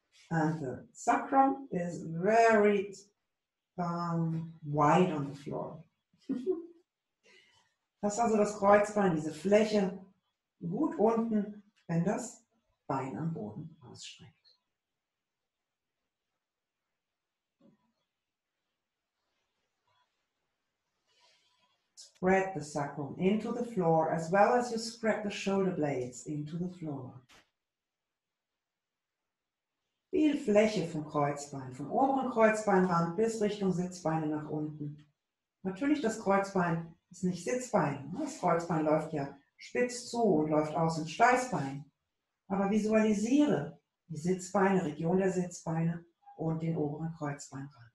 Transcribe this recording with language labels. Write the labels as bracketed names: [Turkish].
[English] And the sacrum is very wide on the floor. [German] Das ist also das Kreuzbein, diese Fläche, gut unten, wenn das Bein am Boden ausstreckt. [English] Spread the sacrum into the floor as well as you spread the shoulder blades into the floor. [German] Viel Fläche vom Kreuzbein, vom oberen Kreuzbeinrand bis Richtung Sitzbeine nach unten. Natürlich, das Kreuzbein ist nicht Sitzbein. Das Kreuzbein läuft ja spitz zu und läuft aus ins Steißbein. Aber visualisiere die Sitzbeine, Region der Sitzbeine und den oberen Kreuzbeinrand.